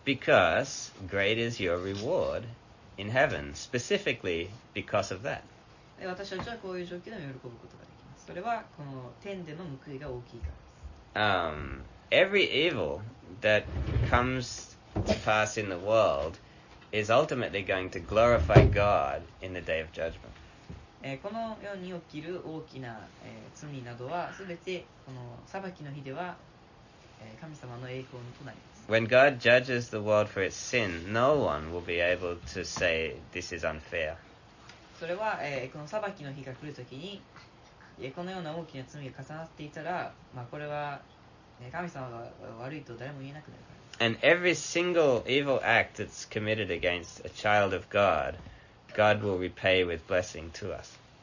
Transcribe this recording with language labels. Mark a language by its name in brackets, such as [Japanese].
[English] Because great is your reward in heaven, specifically because of that. [Japanese] 私たちはこういう状況でも喜ぶことができます。それはこの天での報いが大きいからです。 [English] Every evil that comes to pass in the world is ultimately going to glorify God in the day of judgment. [Japanese] この世に起きる大きな、罪などは、すべてこの裁きの日では、神様の栄光となります。 [English] When God judges the world for its sin, no one will be able to say this is unfair. [Japanese] それは、この裁きの日が来るときに、このような大きな罪が重なっていたら、まあ、これは、神様が悪いと誰も言えなくなるからです。 [English] And every single evil act that's committed against a child of God, God will repay with blessing to us.